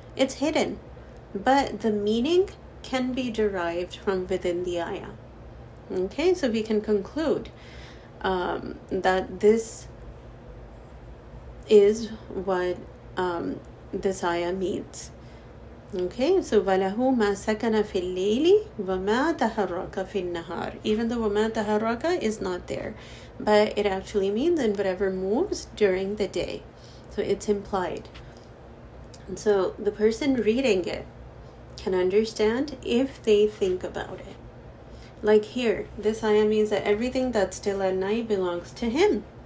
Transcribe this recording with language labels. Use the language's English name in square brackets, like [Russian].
[English] It's hidden, but the meaning can be derived from within the ayah. Okay, so we can conclude that this is what this ayah means. Okay, so [Arabic] وَلَهُ مَا سَكَنَ فِي اللَّيْلِ وَمَا تَحَرَّكَ فِي النَّهَارِ. [English] Even though [Arabic] وَمَا تَحَرَّكَ [English] is not there, but it actually means in whatever moves during the day. So it's implied. And so the person reading it can understand if they think about it. Like here, this ayah means that everything that's still at night belongs to him.